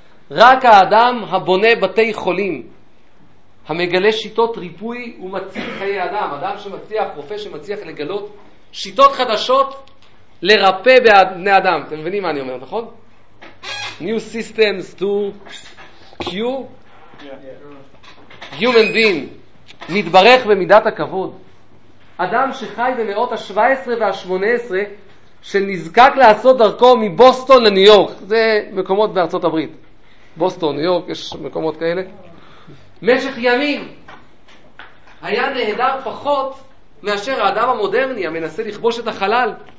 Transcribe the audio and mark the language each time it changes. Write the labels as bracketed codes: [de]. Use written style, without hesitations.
[he] רק האדם הבונה בתי חולים, המגלה שיטות ריפוי ומציל חיי אדם, אדם שמצליח, רופא שמצליח לגלות שיטות חדשות לרפא בני אדם. אתם מבינים מה אני אומר, נכון? [en] New systems to cure human being. [he] מתברך במידת הכבוד. אדם שחי במאות ה-17 וה-18 שנזקק לעשות דרכו מבוסטון לניו יורק, זה מקומות בארצות הברית, בוסטון, ניו יורק, יש מקומות כאלה, משך ימים, היה נהדר פחות מאשר האדם המודרני המנסה לכבוש את החלל.